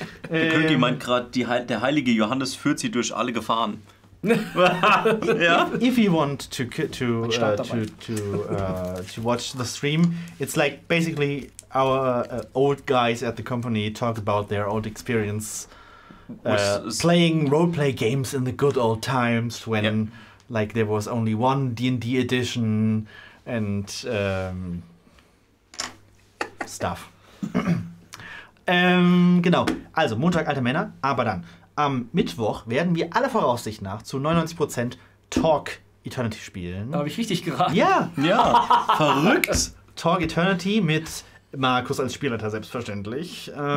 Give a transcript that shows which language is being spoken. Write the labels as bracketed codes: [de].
[de] Der König meint gerade, der heilige Johannes führt sie durch alle Gefahren. Ja? [en] If you want to watch the stream, it's like basically our old guys at the company talk about their old experience playing roleplay games in the good old times when like there was only one D&D edition and stuff. [de] genau, also Montag alte Männer, aber dann am Mittwoch werden wir aller Voraussicht nach zu 99% Torque Eternity spielen. Da habe ich richtig geraten. Ja, ja. Verrückt. Torque Eternity mit Markus als Spielleiter selbstverständlich.